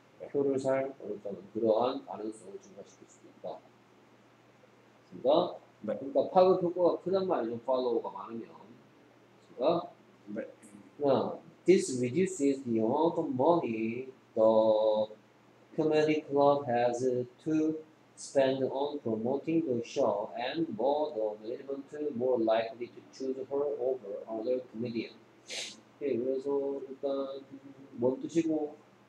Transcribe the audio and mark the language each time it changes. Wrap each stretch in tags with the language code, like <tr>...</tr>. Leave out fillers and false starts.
<ko>표를 살 어렵다는 그러한 가능성을 증가시킬 수 있다. 그러니까, 네. 그러니까 파급 효과가 크단 말이죠. 팔로워가 많으면. 그러니까 네.</ko> <en>This reduces the amount of money the comedy club has to spend on promoting the show and more the management more likely to choose her over other comedian.</en> <ko>네, 그래서 일단 뭔 뜻이고</ko>